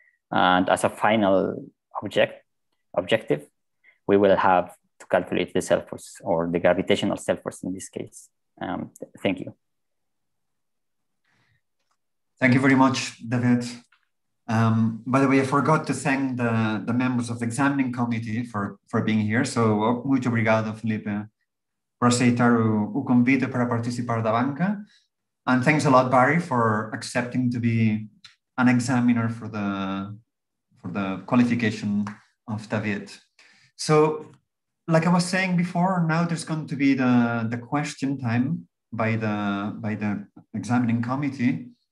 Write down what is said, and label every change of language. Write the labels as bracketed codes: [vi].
[en] And as a final objective, we will have to calculate the self-force, or the gravitational self-force in this case. Thank you. Thank you very much, David. By the way, I forgot to thank the members of the examining committee for being here. [pt] So, muito obrigado, Felipe, por aceitar o convite para participar da banca. [en] And thanks a lot, Barry, for accepting to be an examiner for the qualification of David. So, like I was saying before, now there's going to be the question time by the examining committee.